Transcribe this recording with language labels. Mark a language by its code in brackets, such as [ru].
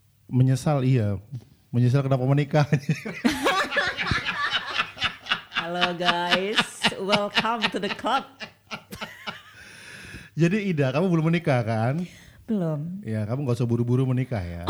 [id] Menyesal iya, menyesal kenapa menikah. I [en] Halo guys, welcome to the club. [id] Jadi Ida, kamu belum menikah kan? Belum. Ya, kamu gak usah buru-buru menikah ya.